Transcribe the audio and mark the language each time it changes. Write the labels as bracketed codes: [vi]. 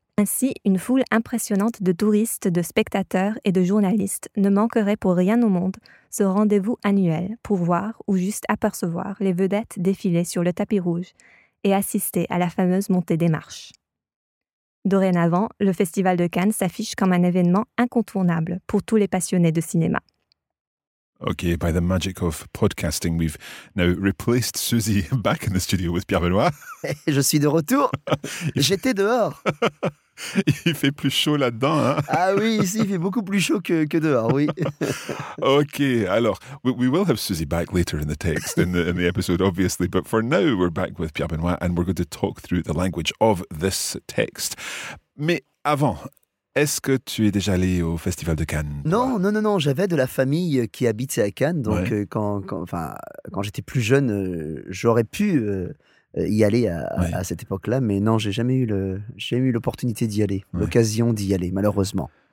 [fr] Ainsi, une foule impressionnante de touristes, de spectateurs et de journalistes ne manquerait pour rien au monde ce rendez-vous annuel pour voir ou juste apercevoir les vedettes défiler sur le tapis rouge et assister à la fameuse montée des marches. Dorénavant, le Festival de Cannes s'affiche comme un événement incontournable pour tous les passionnés de cinéma. [en] Okay, by the magic of podcasting, we've now replaced Susie back in the studio with Pierre Benoît. [fr] Je suis de retour. J'étais dehors. Il fait plus chaud là-dedans. Hein? Ah oui, ici, il fait beaucoup plus chaud que dehors, oui. [en] Okay, [fr] alors, [en] we will have Susie back later in the text, in the episode, obviously. But for now, we're back with Pierre Benoît and we're going to talk through the language of this text. [fr] Mais avant... Est-ce que tu es déjà allé au Festival de Cannes ? Non. J'avais de la famille qui habitait à Cannes. Donc, ouais. Quand j'étais plus jeune, j'aurais pu y aller à cette époque-là, mais non, j'ai jamais eu l'opportunité d'y aller, l'occasion d'y aller, malheureusement.